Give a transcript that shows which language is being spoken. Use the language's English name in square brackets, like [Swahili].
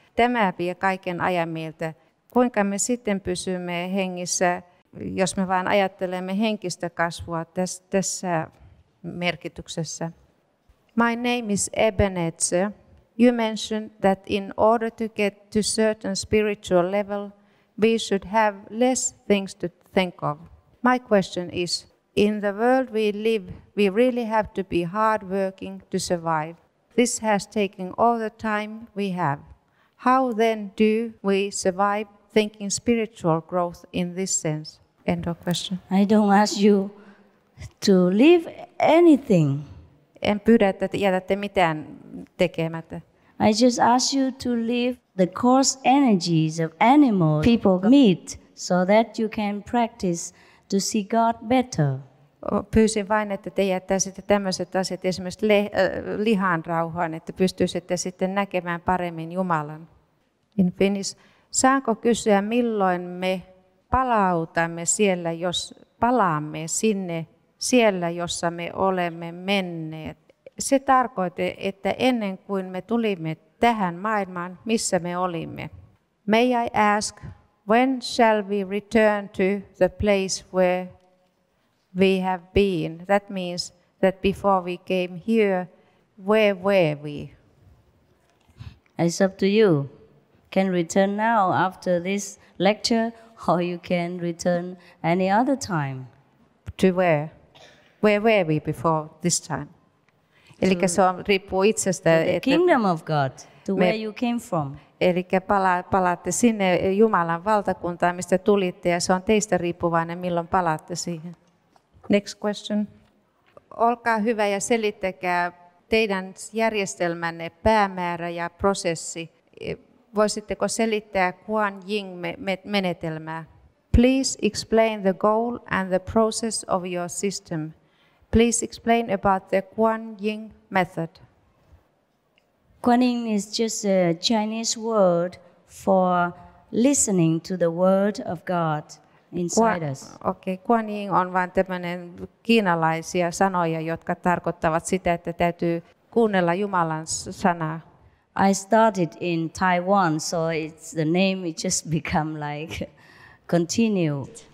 [Finnish] Tämä vie kaiken ajan mieltä. Kuinka me sitten pysymme hengissä, jos me vain ajattelemme henkistä kasvua tässä merkityksessä? [English] My name is Ebenezer. You mentioned that in order to get to certain spiritual level, we should have less things to think of. My question is, in the world we live, we really have to be hardworking to survive. This has taken all the time we have. How then do we survive thinking spiritual growth in this sense? End of question. I don't ask you to leave anything. [Finnish] En pyydä, että jätätte mitään tekemättä. [English] I just ask you to leave the coarse energies of animals, people, meat, so that you can practice to see God better. [Finnish] Pyysin vain, että te jättäisitte tämmöiset asiat esimerkiksi lihan rauhaan, että pystyisitte sitten näkemään paremmin Jumalan. [English] In Finnish, [Finnish] saanko kysyä, milloin me palautamme siellä, jos palaamme sinne siellä, jossa me olemme menneet? Se tarkoitti, että ennen kuin me tulimme tähän maailmaan, missä me olimme. [English] May I ask, when shall we return to the place where we have been? That means that before we came here, where were we? It's up to you. Can return now after this lecture, or you can return any other time. To where? Where were we before this time? [Finnish] Eli se on riippuu itsestä. [English] The kingdom of God, to where you came from. [Finnish] Eli palaatte sinne Jumalan valtakuntaan, mistä tulitte, ja se on teistä riippuvainen, milloin palaatte siihen. [English] Next question. [Finnish] Olkaa hyvä ja selittäkää teidän järjestelmänne päämäärä ja prosessi. Voisitteko selittää Kuan Ying-menetelmää? [English] Please explain the goal and the process of your system. Please explain about the Kuan Yin method. Kuan Yin is just a Chinese word for listening to the word of God inside us. [Finnish] Okay, Kuan Yin on vain tämmöinen kiinalaisia sanoja, jotka tarkoittavat sitä, että täytyy kuunnella Jumalan sanaa. [English] I started in Taiwan, so it's the name, it just become like continued.